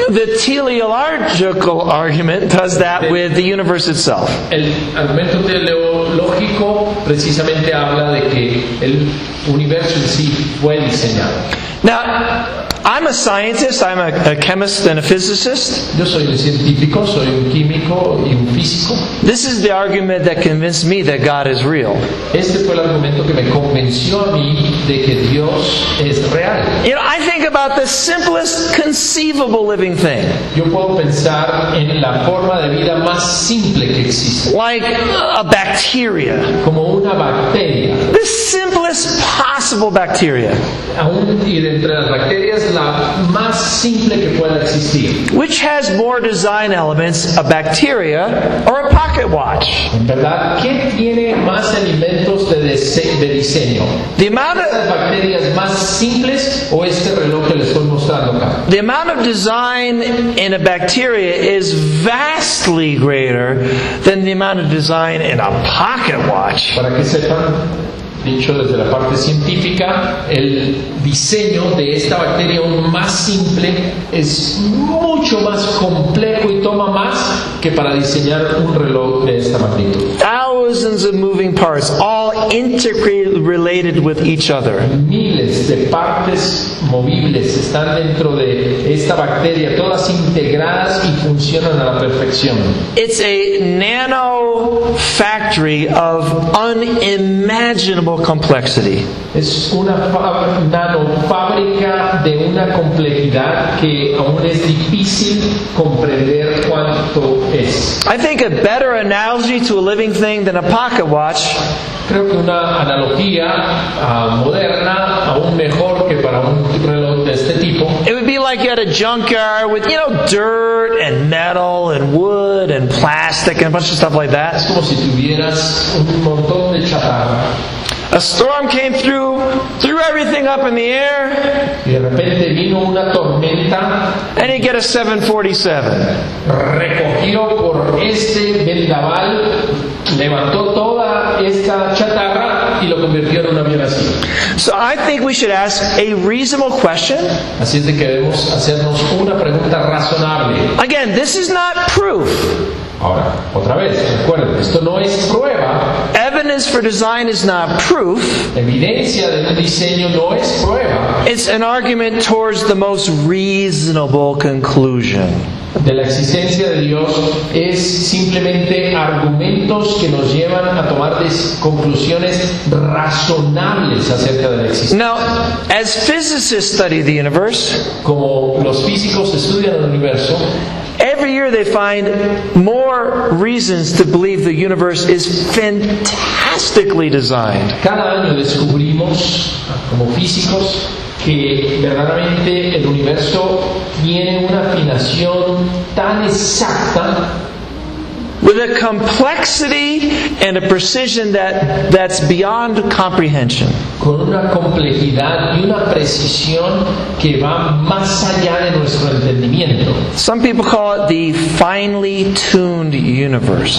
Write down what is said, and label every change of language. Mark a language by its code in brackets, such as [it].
[en] The teleological argument does that with the universe itself. [es] El argumento teleológico precisamente habla de que el universo en sí fue diseñado. [en] Now, I'm a scientist, I'm a chemist and a physicist. [es] Yo soy un científico, soy un químico y un físico. [en] This is the argument that convinced me that God is real. [es] Este fue el argumento que me convenció a mí de que Dios es real. [en] You know, I think about the simplest conceivable living thing. [es] Yo puedo pensar en la forma de vida más simple que existe. [en] Like a bacteria. [es] Como una bacteria. [en] The simplest possible bacteria. [es] Aún y de entre las bacterias, la más simple que pueda existir. [en] Which has more design elements, a bacteria or a pocket watch? [es] En verdad, ¿qué tiene más elementos de diseño? [en] The amount of [es] bacterias más simples o este reloj que les estoy mostrando acá? [en] The amount of design in a bacteria is vastly greater than the amount of design in a pocket watch. [es] Para que sepan, dicho desde la parte científica, el diseño de esta bacteria más simple es mucho más complejo y toma más que para diseñar un reloj de esta magnitud. [en] thousands of moving parts, all intricately related with each other. [es] Miles de partes movibles están dentro de esta bacteria, todas integradas y funcionan a la perfección. [en] It's a nano factory of unimaginable complexity. [es] Es una nanofábrica de una complejidad que aún es difícil comprender cuánto es. [en] I think a better analogy to a living thing than a pocket watch. [es] Creo que una analogía moderna, aún mejor que para un reloj de este tipo. [en] It would be like you had a junkyard with, you know, dirt and metal and wood and plastic and a bunch of stuff like that. [es] Es como si tuvieras un montón de chatarra. [en] A storm came through, threw everything up in the air. [es] Y de repente vino una tormenta. [en] And you get a 747. [es] Recogido por este vendaval, levantó toda esta chatarra y lo convirtió en un avión así. [en] So I think we should ask a reasonable question. [es] Así es de que debemos hacernos una pregunta razonable. [en] Again, this is not proof. [es] Ahora, otra vez, recuerden, esto no es prueba. [en] Evidence for design is not proof. [es] Evidencia del diseño no es prueba. [en] It's an argument towards the most reasonable conclusion. [es] De la existencia de Dios es simplemente argumentos que nos llevan a tomar conclusiones razonables acerca de la existencia. [en] Now, as physicists study the universe, [es] como los físicos estudian el universo, [en] every year they find more reasons to believe the universe is fantastically designed. [es] Cada año descubrimos, como físicos, que verdaderamente el universo tiene una afinación tan exacta. [en] With a complexity and a precision that's beyond comprehension. [es] Con una complejidad y una precisión que va más allá de nuestro entendimiento. [en] Some people call it the finely tuned universe.